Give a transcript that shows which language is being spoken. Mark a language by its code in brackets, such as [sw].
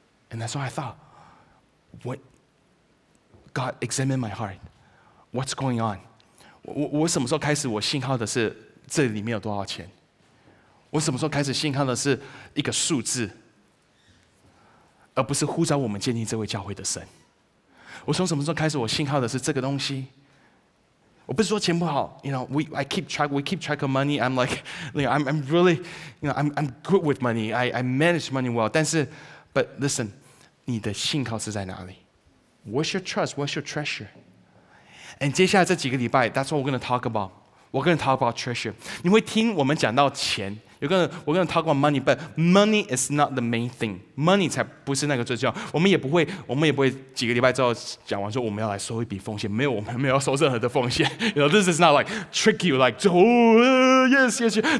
[en] And that's why I thought, what God examine my heart, what's going on? [zh] 我什么时候开始我信号的是？这里面有多少钱？我什么时候开始信靠的是一个数字，而不是呼召我们建立这位教会的神？我从什么时候开始我信靠的是这个东西？我不是说钱不好 [en] ，you know we keep track of money. I'm like, you know, I'm really, you know, I'm good with money. I manage money well. [zh] 但是 [en] ，but listen， 你的信靠是在哪里 ？What's your trust? What's your treasure? And [zh] 接下来这几个礼拜 [en] ，that's what we're gonna talk about. We're going to talk about treasure. [zh] 你会听我们讲到钱 [en] We're going to talk about money, but money is not the main thing. [zh] Money 才不是那个最重要。我们也不会几个礼拜之后讲完说我们要来收一笔奉献。没有，我们没有要收任何的奉献。 [en] You know, this is not like trick you, like, yes.